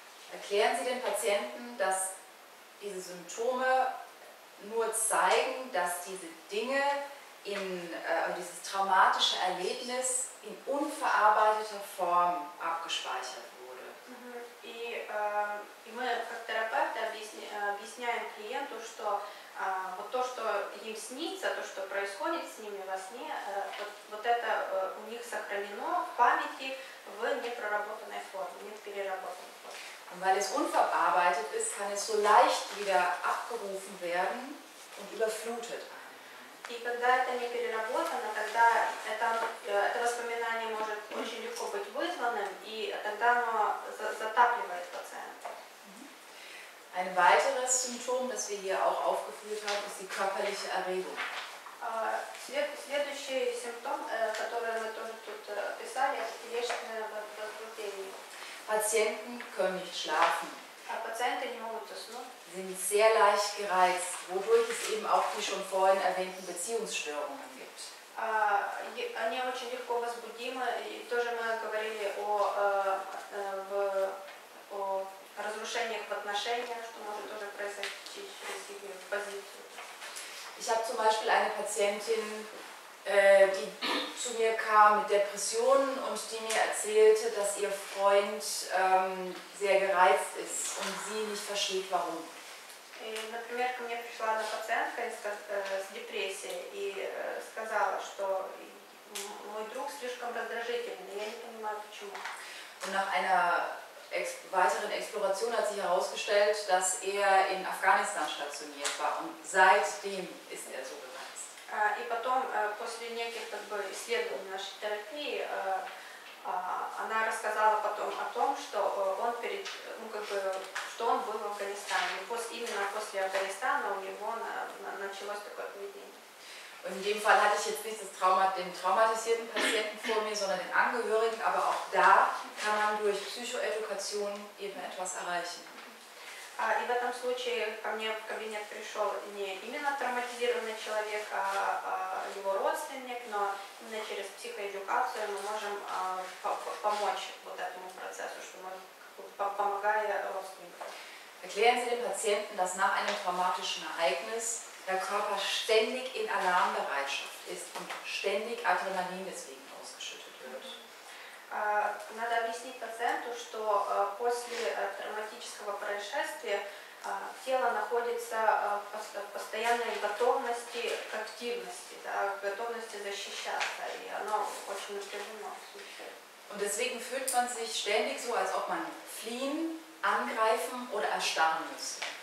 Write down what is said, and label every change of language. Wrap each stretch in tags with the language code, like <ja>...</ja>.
<de>Erklären Sie den Patienten, dass diese Symptome nur zeigen, dass diese Dinge, dieses traumatische Erlebnis in unverarbeiteter Form abgespeichert wurde.</de> <ru>И мы как терапевты объясняем клиенту, что вот то, что снится, то, что происходит с ними во сне, вот это у них сохранено в памяти в непроработанной форме, не в переработанной форме.</ru> <de>Und weil es unverarbeitet ist, kann es so leicht wieder abgerufen werden und überflutet</de> <ru>einen. И когда это не переработано, тогда это воспоминание может очень легко быть вызванным, и тогда оно затапливает пациента.</ru> <de>Ein weiteres Symptom, das wir hier auch aufgeführt haben, ist die körperliche Erregung.</de> <ru>Следующий симптом, который мы тоже тут писали, это телесное возбуждение.</ru> <de>Patienten können nicht schlafen.</de> <ru>Patienten не могут заснуть.</ru> <de>Sind sehr leicht gereizt, wodurch es eben auch die schon vorhin erwähnten Beziehungsstörungen gibt.</de> <ru>Они очень легко возбудимы, и тоже мы говорили о разрушениях в отношениях, что может тоже произойти через их позицию.</ru> <de>Ich habe zum Beispiel eine Patientin, die zu mir kam mit Depressionen und die mir erzählte, dass ihr Freund sehr gereizt ist und sie nicht versteht, warum.</de> <ru>Например, ко мне пришла одна пациентка с депрессией и сказала, что мой друг слишком раздражительный, я не понимаю, почему.</ru> <de>Und nach einer weiteren Exploration hat sich herausgestellt, dass er in Afghanistan stationiert war und seitdem ist er so gereizt.</de> <ru>И потом после неких как бы исследований нашей терапии она рассказала потом о том, что он перед ну как бы что он был в Афганистане. Именно после Афганистана у него началось такое поведение.</ru> <de>Und in dem Fall hatte ich jetzt nicht den traumatisierten Patienten vor mir, sondern den Angehörigen, aber auch da kann man durch Psychoedukation eben etwas erreichen.</de> <ru>И в этом случае ко мне в кабинет пришел не именно травматизированный человек, а его родственник, но именно через психоэдукацию мы можем помочь вот этому процессу, что мы помогая родственнику.</ru> <de>Erklären Sie dem Patienten, dass nach einem traumatischen Ereignis der Körper ständig in Alarmbereitschaft ist und ständig Adrenalin deswegen ausgeschüttet wird.</de> <ru>Надо объяснить пациенту, что после травматического происшествия тело находится в постоянной готовности к активности, да, готовности защищаться, и оно очень напряжено.</ru> <de>Und deswegen fühlt man sich ständig so, als ob man fliehen, angreifen oder erstarren müsste.</de>